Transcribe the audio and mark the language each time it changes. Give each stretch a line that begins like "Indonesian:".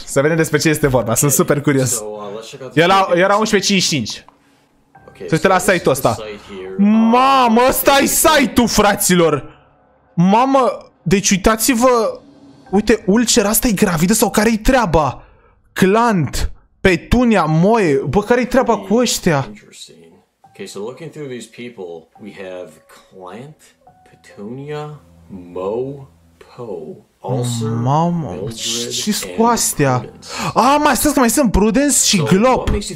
Romanian: Să vedem despre ce este vorba. Sunt super curios. Era 11:55. Să uite la site-ul ăsta. Mamă, ăsta e site-ul, fraților. Mamă, deci uitați-vă, uite, ulcer, asta e gravidă sau care-i treaba? Clant, Petunia, Moe, bă, care-i treaba cu ăștia?
English: Okay, so looking through these people, we have Clant, Petunia, Moe, Poe, Ulcer,
Romanian: mamă, ce-s cu astea? A, mai stai că mai sunt Prudence și Glop.